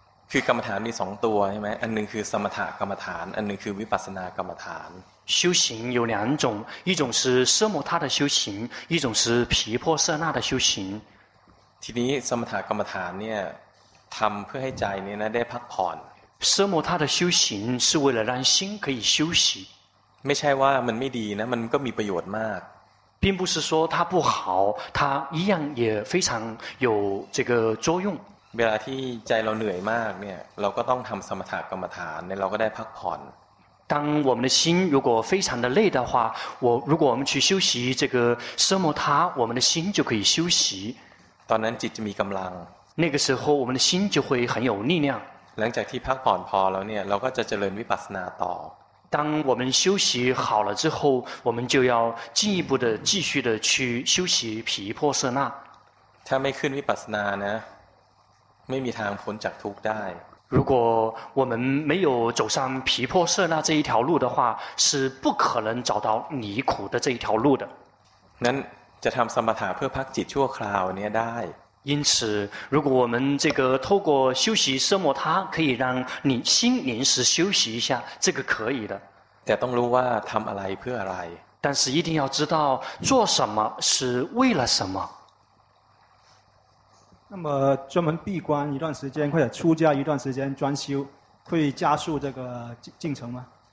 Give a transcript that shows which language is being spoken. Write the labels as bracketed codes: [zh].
[th] คือกรรมฐานมีสองตัวใช่ไหมอันหนึ่งคือสมถกรรมฐานอันหนึ่งคือวิปัสสนากรรมฐาน [zh] 修行有两种一种是奢摩他的修行一种是毗婆舍那的修行 [th] ทีนี้สมถกรรมฐานเนี่ยทำเพื่อให้ใจเนี่ยนะได้พักผ่อน [zh] 奢摩他的修行是为了让心可以休息 [th] ไม่ใช่ว่ามันไม่ดีนะมันก็มีประโยชน์มาก [zh] 并不是说它不好它一样也非常有这个作用 [th] เวลาที่ใจเราเหนื่อยมากเนี่ยเราก็ต้องทำสมถกรรมฐานเนี่ยเราก็ได้พักผ่อน [zh] 当我们的心如果非常的累的话我如果我们去休息这个奢摩他我们的心就可以休息 [th] ตอนนั้นจิตจะมีกำลัง [zh] 那个时候我们的心就会很有力量 [th] หลังจากที่พักผ่อนพอแล้วเนี่ยเราก็จะเจริญวิปัสสนาต่อ [zh] 当我们休息好了之后我们就要进一步的继续的去休息毗婆舍那 [th] ถ้าไม่ขึ้นวิปัสสนานะไม่มีทางพ้นจากทุกข์ได้ [zh] 如果我们没有走上毗婆舍那这一条路的话是不可能找到离苦的这一条路的 [th] นั้นจะทำสมถะเพื่อพักจิตชั่วคราวเนี่ยได้ [zh] 因此如果我们这个透过休息奢摩他可以让你心临时休息一下这个可以的 [th] แต่ต้องรู้ว่าทำอะไรเพื่ออะไร [zh] 但是一定要知道做什么是为了什么那么专门闭关一段时间或者出家一段时间专修会加速这个进程吗